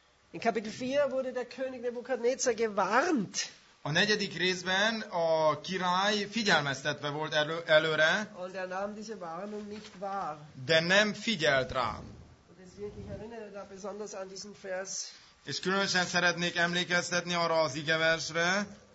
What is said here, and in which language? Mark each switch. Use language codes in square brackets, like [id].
[de] In Kapitel 4 wurde der König Nebukadnezar gewarnt. [hu] A negyedik részben a király figyelmeztetve volt előre, [de] und er nahm diese Warnung nicht wahr. [hu] De nem figyelt rá. [de] Ich erinnere da besonders an diesen Vers. [hu] És különösen szeretnék emlékeztetni arra az igeversre.